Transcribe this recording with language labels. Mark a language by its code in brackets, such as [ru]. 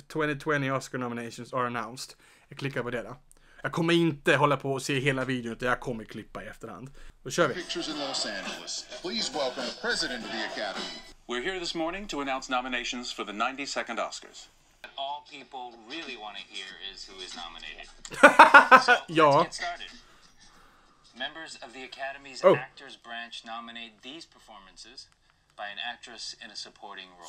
[en] 2020 Oscar nominations are announced. [sv] Jag klickar på det då. Jag kommer inte hålla på och se hela videon, utan jag kommer klippa i efterhand. Då kör vi. [en] Pictures in Los Angeles. Please welcome the president of the Academy. We're here this morning to announce nominations for the 92nd Oscars. All people really want to hear is who is nominated. So, yeah. Let's get started. Members of the Academy's Actors Branch nominate these performances by an actress in a supporting role.